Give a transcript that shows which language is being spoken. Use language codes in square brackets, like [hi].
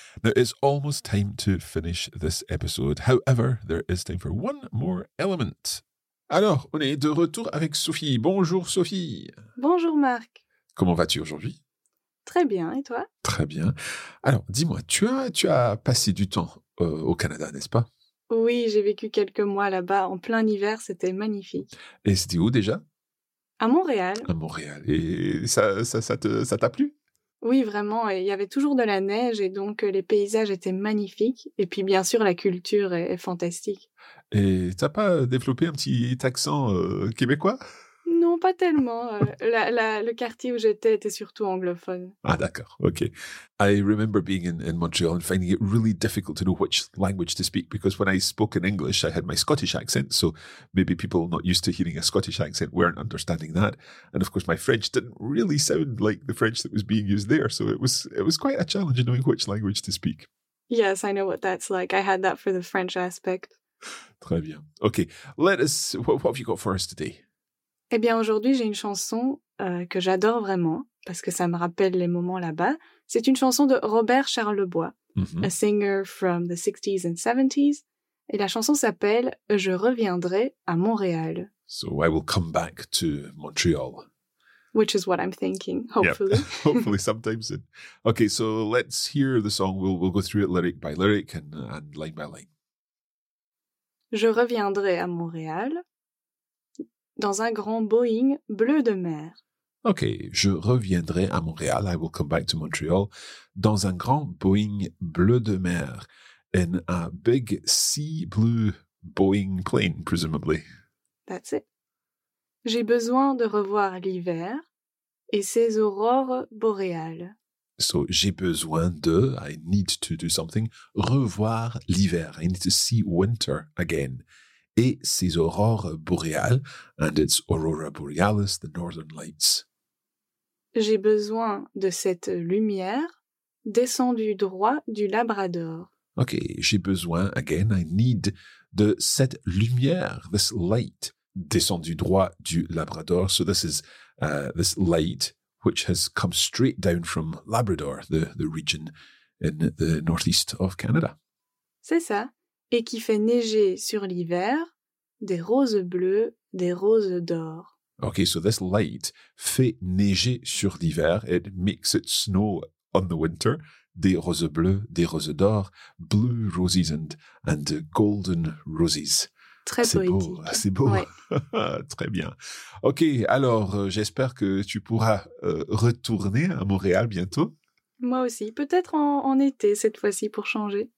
[en] Now, it's almost time to finish this episode. However, there is time for one more element. [fr] Alors, on est de retour avec Sophie. Bonjour Sophie. Bonjour Marc. Comment vas-tu aujourd'hui? Très bien, et toi? Très bien. Alors, dis-moi, tu as passé du temps au Canada, n'est-ce pas? Oui, j'ai vécu quelques mois là-bas en plein hiver, c'était magnifique. Et c'était où déjà? À Montréal. À Montréal. Et ça t'a plu? Oui, vraiment. Il y avait toujours de la neige et donc les paysages étaient magnifiques. Et puis, bien sûr, la culture est fantastique. Et t'as pas développé un petit accent québécois? Non, pas tellement. Le quartier où j'étais était surtout anglophone. Ah, d'accord. OK. [en] I remember being in Montreal and finding it really difficult to know which language to speak because when I spoke in English, I had my Scottish accent. So maybe people not used to hearing a Scottish accent weren't understanding that. And of course, my French didn't really sound like the French that was being used there. So it was quite a challenge knowing which language to speak. Yes, I know what that's like. I had that for the French aspect. [fr] Très bien. OK. [en] What have you got for us today? [fr] Eh bien, aujourd'hui, j'ai une chanson que j'adore vraiment, parce que ça me rappelle les moments là-bas. C'est une chanson de Robert Charlebois, mm-hmm. [en] A singer from the 60s and 70s. [fr] Et la chanson s'appelle « Je reviendrai à Montréal ». [en] So I will come back to Montreal. Which is what I'm thinking, hopefully. Yep. Hopefully, sometime soon. Okay, so let's hear the song. We'll go through it lyric by lyric and line by line. [fr] Je reviendrai à Montréal. Dans un grand Boeing bleu de mer. OK, je reviendrai à Montréal. [en] I will come back to Montreal. [fr] Dans un grand Boeing bleu de mer. [en] In a big sea blue Boeing plane, presumably. That's it. [fr] J'ai besoin de revoir l'hiver et ses aurores boréales. [en] So, [fr] j'ai besoin de, [en] I need to do something, [fr] revoir l'hiver. [en] I need to see winter again. [fr] Et ses aurores boréales, [en] and its aurora borealis, the northern lights. [fr] J'ai besoin de cette lumière descendue droit du Labrador. OK, j'ai besoin, [en] again, I need, [fr] de cette lumière, [en] this light, [fr] descendue droit du Labrador. [en] So this is this light which has come straight down from Labrador, the region in the northeast of Canada. [fr] C'est ça. Et qui fait neiger sur l'hiver des roses bleues, des roses d'or. [en] OK, so this light [fr] fait neiger sur l'hiver. [en] It makes it snow on the winter. [fr] Des roses bleues, des roses d'or. [en] Blue roses and golden roses. [fr] Très c'est poétique. C'est beau. Ouais. Très bien. OK, alors j'espère que tu pourras retourner à Montréal bientôt. Moi aussi, peut-être en été cette fois-ci pour changer.